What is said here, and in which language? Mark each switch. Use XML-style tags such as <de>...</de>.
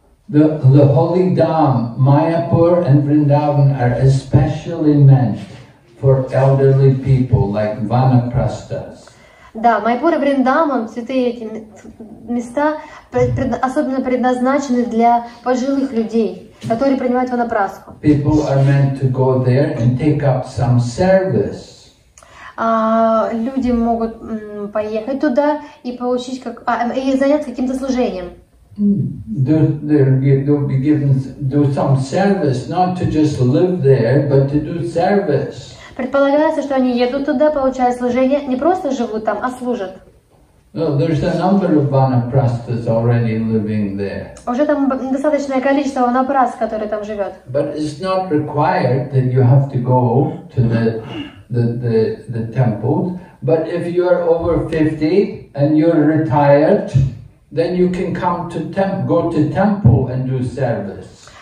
<en>The Holy Dham, Mayapur and Vrindavan are especially meant for elderly people like vanaprasthas.</en> <ru>Да, Майпур и Вриндаван, святые эти места, особенно предназначены для пожилых людей, которые принимают ванапрасху.</ru> <en>People are meant to go there and take up some service.</en> <ru>Люди могут поехать туда и получить как и заняться каким-то служением.</ru> <en>They'll be given do some service, not to just live there, but to do service.</en> <ru>Предполагается, что они едут туда, получают служение, не просто живут там, а служат.</ru> <en>Well, there's a number of vanaprasthas already living there.</en> <ru>Уже там достаточное количество ванапрас, которые там живет.</ru> <en>But it's not required that you have to go to the temple. But if you are over 50 and you're retired, then you can come to go to temple and do service.</en>